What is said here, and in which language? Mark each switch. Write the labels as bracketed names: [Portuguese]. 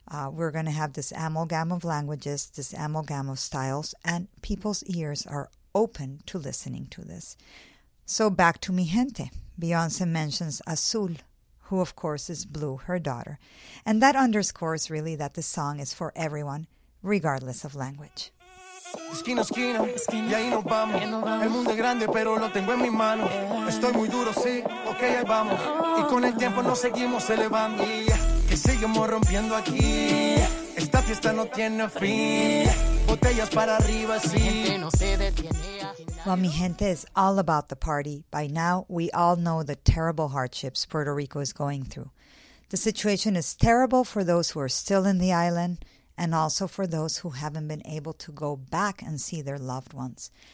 [English] We're going to have this amalgam of languages, this amalgam of styles, and people's ears are open to listening to this. So back to Mi Gente. Beyonce mentions Azul, who of course is Blue, her daughter. And that underscores really that the song is for everyone, regardless of language. [Spanish] Esquina a esquina, y ahí nos vamos. El mundo es grande, pero lo tengo en mis manos. Estoy muy duro, sí, ok, ahí vamos. Y con el tiempo nos seguimos elevando. Y que seguimos rompiendo aquí. Esta fiesta no tiene fin. Botellas para arriba, sí. [English] Well, mi gente, is all about the party. By now, we all know the terrible hardships Puerto Rico is going through. The situation is terrible for those who are still in the island and also for those who haven't been able to go back and see their loved ones.